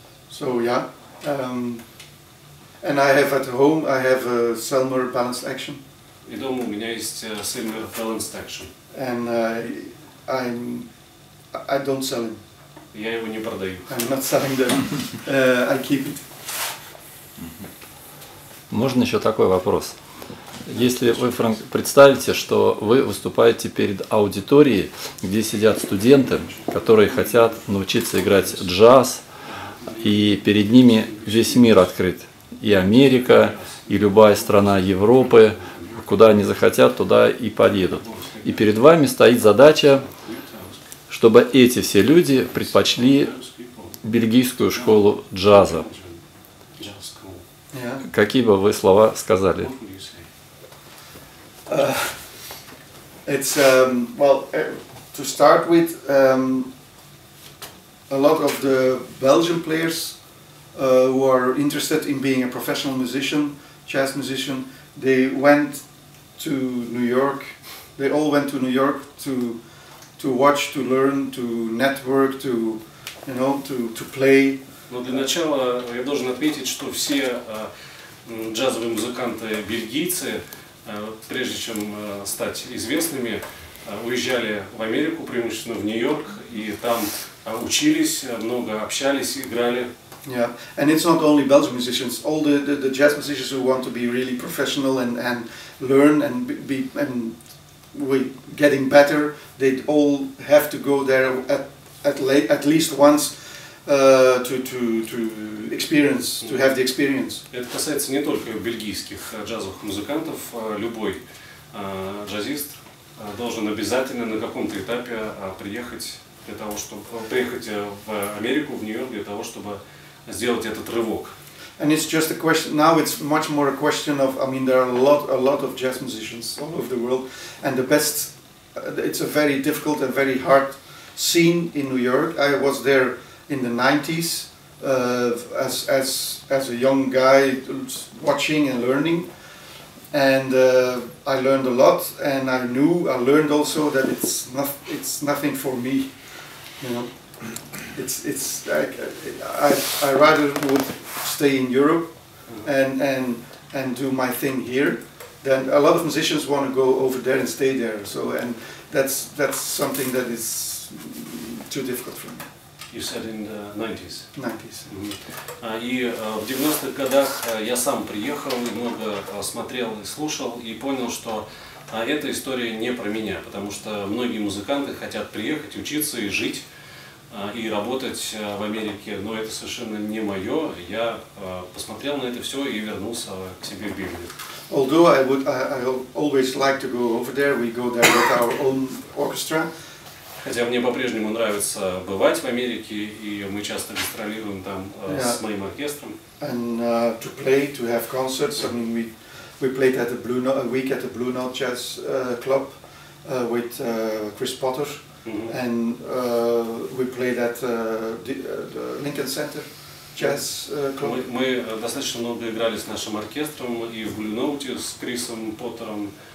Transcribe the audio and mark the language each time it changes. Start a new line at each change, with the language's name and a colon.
English: So yeah, and I have at home I have a Selmer balanced action.
Russian: И дома у меня есть Selmer balanced action.
English: And I don't sell him.
Russian: Я его не продаю.
English: I'm not selling them. I keep it.
Russian: Можно еще такой вопрос? Если вы представите, что вы выступаете перед аудиторией, где сидят студенты, которые хотят научиться играть джаз, и перед ними весь мир открыт, и Америка, и любая страна Европы, куда они захотят, туда и поедут. И перед вами стоит задача, чтобы эти все люди предпочли бельгийскую школу джаза.
English: Yeah.
Russian: Какие бы вы слова сказали?
English: To start with, a lot of the Belgian players who are interested in being a professional musician, jazz musician, they went to New York. They all went to New York to watch, to learn, to network, to play.
Russian: Но для начала я должен отметить, что все джазовые музыканты бельгийцы, прежде чем стать известными, уезжали в Америку, преимущественно в Нью-Йорк, и там учились, много общались, играли.
English: Yeah, and it's not only Belgian musicians, all the jazz musicians who want to be really professional and learn and be and we getting better, they all have to go there at least once to experience, to have the experience.
Russian: Это касается не только бельгийских джазовых музыкантов, любой джазист должен обязательно на каком-то этапе приехать в Америку, в Нью-Йорк для того, чтобы сделать этот рывок.
English: And it's just a question. Now it's much more a question of. I mean, there are a lot of jazz musicians all over the world, and the best. It's a very difficult and very hard scene in New York. I was there in the 90s as a young guy watching and learning, and I learned a lot. And I learned also that it's nothing for me, you know. I rather would stay in Europe and do my thing here. Then a lot of musicians want to go over there and stay there. So and that's something that is too difficult for me. You said in the 90s. 90s. Mm-hmm.
Russian: И в 90-х годах я сам приехал и много смотрел и слушал и понял, что эта история не про меня, потому что многие музыканты хотят приехать, учиться и жить. И работать в Америке, но это совершенно не мое. Я посмотрел на это все и вернулся к себе в Бельгию.
English: Although I always like to go over there, we go there with our own orchestra.
Russian: Хотя мне по-прежнему нравится бывать в Америке, и мы часто гастролируем там с моим оркестром.
English: And to play, to have concerts. I mean, we played at the Blue Note, a week at the Blue Note Jazz Club with Chris Potter. Mm-hmm. And we played at the Lincoln Center Jazz Club.
Russian: Мы достаточно много играли с нашим оркестром и в Blue Note с Крисом Поттером.